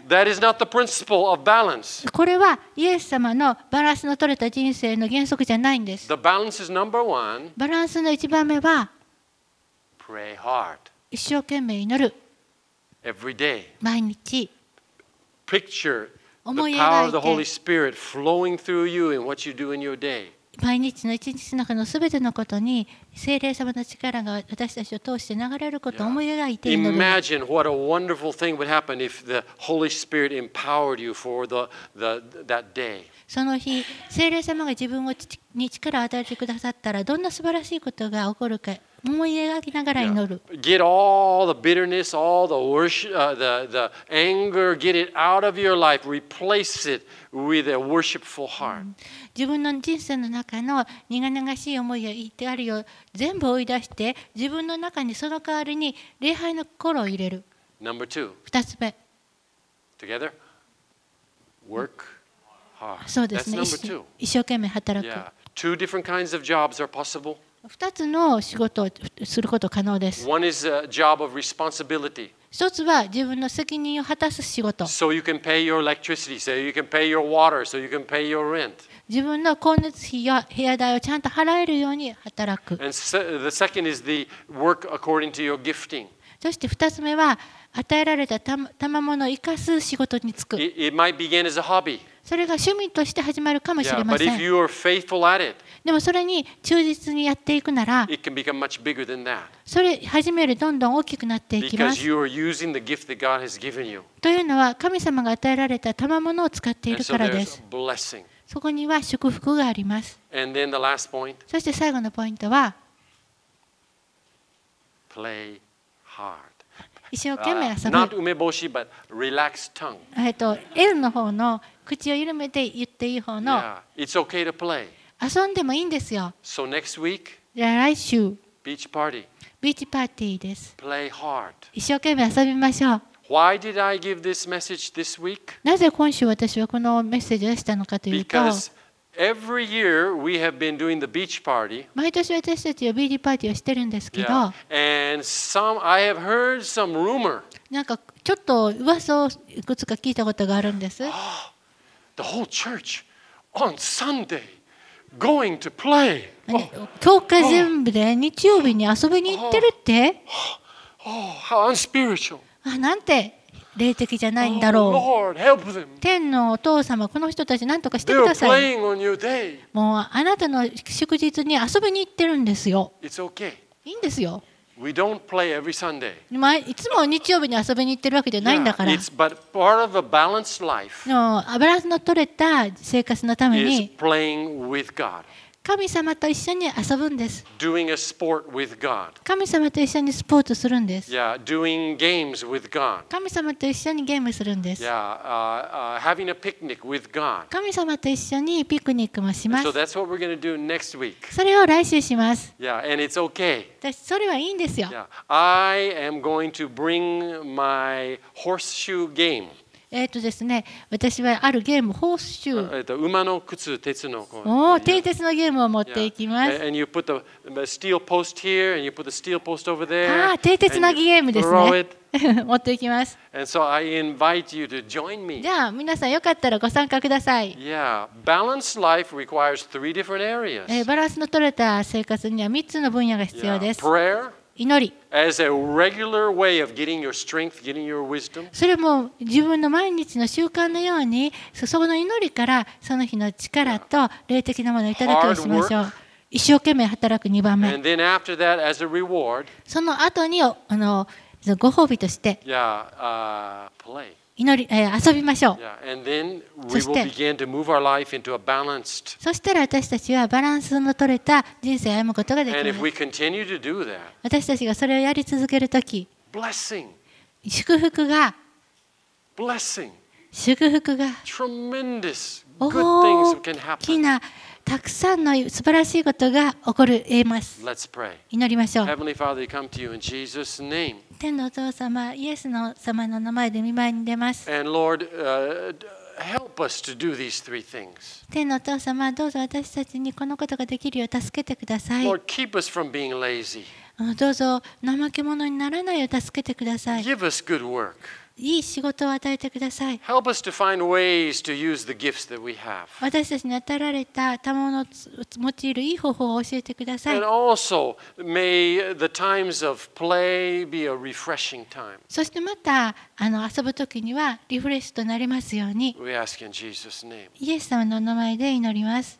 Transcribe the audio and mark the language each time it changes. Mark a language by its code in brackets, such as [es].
[en] That is not the principle of balance. [ja] これはイエス様のバランスの取れた人生の原則じゃないんです。 [en] The balance is number one. [ja] バランスの一番目は、 [en] pray hard. [ja] 一生懸命祈る。 [en] Every day. [ja] 毎日。 [en] Picture. The power of the Holy Spirit flowing through you in what you do in your day. [ja] 毎日の一日の中のすべてのことに聖霊様の力が私たちを通して流れることを思い描いている。 [en] Imagine what a wonderful thing would happen if the Holy Spirit empowered you for the that day. [ja] その日、聖霊様が自分に力を与えてくださったらどんな素晴らしいことが起こるか。思い描きながら祈る。 [en] Yeah. Get all the bitterness, all the worship, the anger, get it out of your life. Replace it with a worshipful heart. [ja] 自分の人生の中の苦々しい思いや言ってあるよ、全部追い出して、自分の中にその代わりに礼拝の心を入れる。 [en] Number two. [ja] 二つ目。 [en] Together. Work hard. [ja] そうですね。一生懸命働く。 [en] Yeah. Two different kinds of jobs are possible. [ja] 2つの仕事をすること可能です。 [en] One is a job of responsibility. [ja] 一つは自分の責任を果たす仕事。 [en] So you can pay your electricity, so you can pay your water, so you can pay your rent. [ja] 自分の光熱費や部屋代をちゃんと払えるように働く。 [en] And the second is the work according to your gifting. [ja] そして二つ目は与えられた賜物を生かす仕事に就く。 [en] It might begin as a hobby. [ja] それが趣味として始まるかもしれません。 [en] Yeah, but if you are faithful at it, [ja] でもそれに忠実にやっていくなら、 [en] it can become much bigger than that. [ja] それ始めるどんどん大きくなっていきます。 [en] Because you are using the gift that God has given you. [ja] というのは神様が与えられた賜物を使っているからです。 [en] And so there's blessing. [ja] そこには祝福があります。 [en] And then the last point, [ja] そして最後のポイントは、 [en] play hard. [ja] 一生懸命遊ぶ。 [en] Not 梅干し but relaxed tongue. [ja] L の方の口を緩めて言っていい方の。 [en] Yeah, it's okay to play. [ja] 遊んでもいいんですよ。 [en] So next week. [ja] じゃあ来週。 [en] Beach party. [ja] ビーチパーティーです。 [en] Play hard. [ja] 一生懸命遊びましょう。 [en] Why did I give this message this week? [ja] なぜ今週私はこのメッセージを出したのかというと。 [en] Because every year we have been doing the beach party. [ja] 毎年私たちはビーチパーティーをしてるんですけど。 [en] And some I have heard some rumor. [ja] なんかちょっと噂をいくつか聞いたことがあるんです。 [en] The whole church on Sunday going to play. [ja] 教会全部で日曜日に遊びに行ってるって。 [en] Oh, how unspiritual. [ja] なんて。霊的じゃないんだろう。 [en] Oh, Lord, help them. [ja] 天のお父様、この人たち何とかしてください。 [en] They're playing on your day. [ja] もうあなたの祝日に遊びに行ってるんですよ。 [en] It's okay. [ja] いいんですよ。 [en] We don't play every Sunday. [ja] まあ、いつも日曜日に遊びに行ってるわけじゃないんだから。 [en] Yeah, it's but part of a balanced life. [ja] のバランスの取れた生活のために。 [en] Is playing with God. [ja] 神様と一緒に遊ぶんです。 [en] Doing a sport with God. [ja] 神様と一緒にスポーツするんです。 [en] Yeah, doing games with God. [ja] 神様と一緒にゲームするんです。 [en] Yeah, having a picnic with God. [ja] 神様と一緒にピクニックもします。 [en] So that's what we're going to do next week. [ja] それを来週します。 [en] Yeah, and it's okay. [ja] それはいいんですよ。 [en] Yeah, I am going to bring my horseshoe game. [ja] ですね、私はあるゲーム、ホースシュー。馬の靴、鉄のこう。鉄鉄のゲームを持っていきます。 [en] And you put the steel post here, and you put the steel post over there. [ja] ああ、鉄鉄のゲームですね。持っていきます。 [en] And so I invite you to join me. [ja] じゃあ皆さんよかったらご参加ください。 [en] Yeah, balanced life requires three different areas. [ja] バランスの取れた生活には3つの分野が必要です。 [en] Prayer. [ja] 祈り。 [en] As a regular way of getting your strength, getting your wisdom. [ja] それも自分の毎日の習慣のように、そこの祈りからその日の力と霊的なものをいただくようにしましょう。一生懸命働く2番目。 [en] And then after that, as a reward. [ja] その後にご褒美として。 [en] Play. [ja] 祈り、遊びましょう。 [en] And then we will begin to move our life into a balanced. [ja] そしたら私たちはバランスの取れた人生を歩むことができます。 [en] And if we continue to do that. [ja] 私たちがそれをやり続けるとき、 [en] blessing. [ja] 祝福が、 [en] blessing. [ja] 祝福が、 [en] tremendous good things can happen. [ja] 大きなたくさんの素晴らしいことが起こる得ます。 [en] Let's pray. [ja] 祈りましょう。 [en] Heavenly Father, we come to you in Jesus' name. [ja] 天のお父様、イエスの様の名前で御前に出ます。 [en] And Lord, help us to do these three things. [ja] 天のお父様、どうぞ私たちにこのことができるよう助けてください。 [en] Lord, keep us from being lazy. [ja] どうぞ怠け者にならないよう助けてください。 [en] Give us good work. [ja] いい仕事を与えてください。 [en] Help us to find ways to use the gifts that we have. [ja] 私たちに与えられた賜物を用いるいい方法を教えてください。 [en] And also, may the times of play be a refreshing time. [ja] そしてまた遊ぶときにはリフレッシュとなりますように。 [en] We ask in Jesus' name. [ja] イエス様の名前で祈ります。